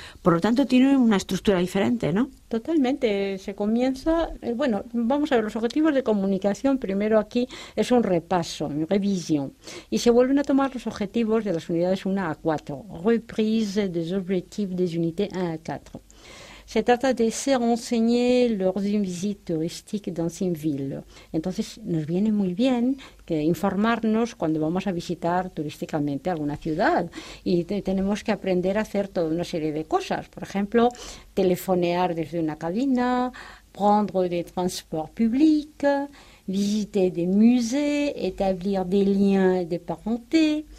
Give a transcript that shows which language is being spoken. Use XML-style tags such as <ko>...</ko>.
<es>Por lo tanto, tiene una estructura diferente, ¿no? Totalmente. Se comienza, bueno, vamos a ver, los objetivos de comunicación primero aquí es un repaso, un revisión, y se vuelven a tomar los objetivos de las unidades 1 a 4,</es> <fr>reprise des objectifs des unités 1 a 4.</fr> <es>Se trata de ser</es> <fr>enseñé lors d'une visite touristique dans une ville.</fr> <es>Entonces, nos viene muy bien que informarnos cuando vamos a visitar turísticamente alguna ciudad. Y tenemos que aprender a hacer toda una serie de cosas. Por ejemplo, telefonear desde una cabina,</es> <fr>prendre des transports publics, visiter des musées, établir des liens de parenté.</fr>